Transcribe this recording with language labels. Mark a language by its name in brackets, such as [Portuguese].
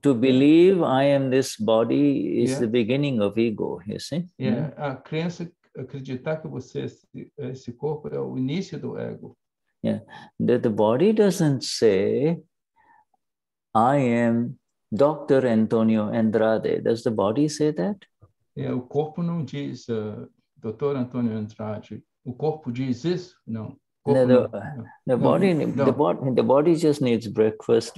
[English] To believe I am this body is the beginning of ego, you see? [Portuguese] A crença. Acreditar que você esse corpo é o início do ego. [English] Yeah, the body doesn't say, I am Dr. Antonio Andrade. Does the body say that? [Portuguese] Yeah, o corpo não diz, Dr. Antonio Andrade. O corpo diz isso? Não. [English] The body just needs breakfast.